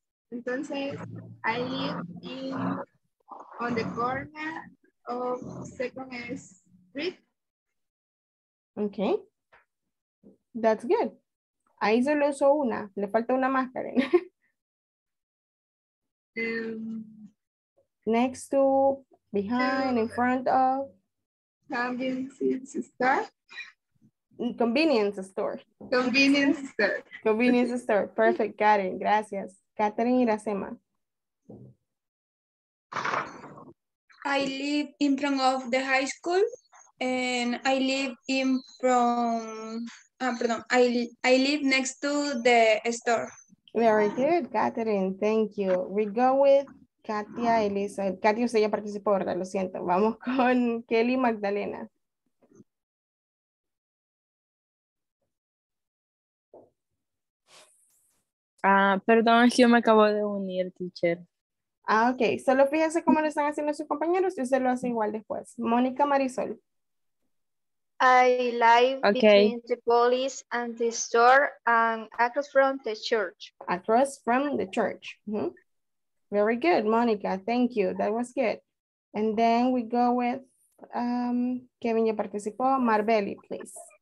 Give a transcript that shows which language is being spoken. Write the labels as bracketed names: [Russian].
[Spanish] Entonces, [English] I live in on the corner of Second Street. Okay, that's good. [Spanish] Ahí solo uso una, le falta una más, Karen. [English] Next to, behind, in front of. Convenience store. Convenience store. Convenience store. Convenience store, perfect, Karen, [Spanish] gracias. [English] Katherine Iracema. I live in front of the high school. And I live in from, I live next to the store. Very good, Katherine. Thank you. We go with Katia Elisa. [Spanish] Katia, usted ya participó, ¿verdad? Lo siento. Vamos con Kelly Magdalena. Perdón, yo me acabo de unir, teacher. Ah, ok. Solo fíjese cómo lo están haciendo sus compañeros y usted lo hace igual después. Mónica Marisol. [English] I live between the police and the store and across from the church. Across from the church. Mm-hmm. Very good, Monica. Thank you. That was good. And then we go with Kevin, [Spanish] ya participó. [English] Marbeli, please.